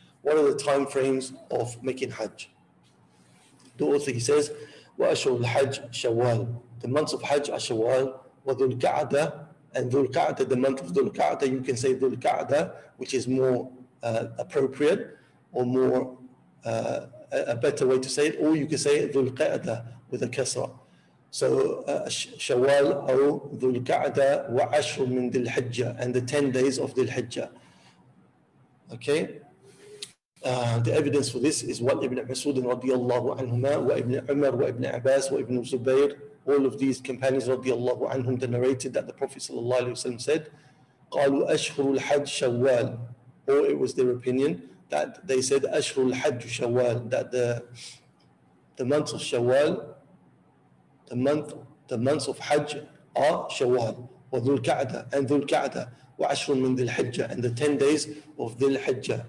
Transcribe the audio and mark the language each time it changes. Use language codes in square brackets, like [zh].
[en] What are the time frames of making Hajj? The author, he says, [ar] وَأَشْهُرُ الْحَجِّ شَوَّال. [en] The months of Hajj are Shawwal, [ar] وَذُو الْقَعْدَةِ. [en] And ذُو الْقَعْدَةِ, the month of ذُو الْقَعْدَةِ, you can say ذُو الْقَعْدَةِ, which is more appropriate, or more a better way to say it, or you can say ذُو الْقَعْدَةِ with a kasra. [ar] So شَوَّال أو ذُو الْقَعْدَةِ وَعَشْرٌ مِنْ ذِي الْحِجَّةِ, [en] and the 10 days of [ar] ذِي الْحِجَّةِ. [en] Okay? The evidence for this is what Ibn Masud رضي الله عنهما وابن عمر وابن عباس وابن زبير, all of these companions رضي الله عنهم, they narrated that the Prophet صلى الله عليه وسلم said, [ar] قالوا أشهر الحج شوال. [en] Or it was their opinion that they said [ar] أشهر الحج شوال, [en] that the months of شوال, the months of حج are شوال, وذو الكعدة, and ذو الكعدة, [ar] وعشر من ذي الحجة, [en] and the 10 days of ذي الحجة.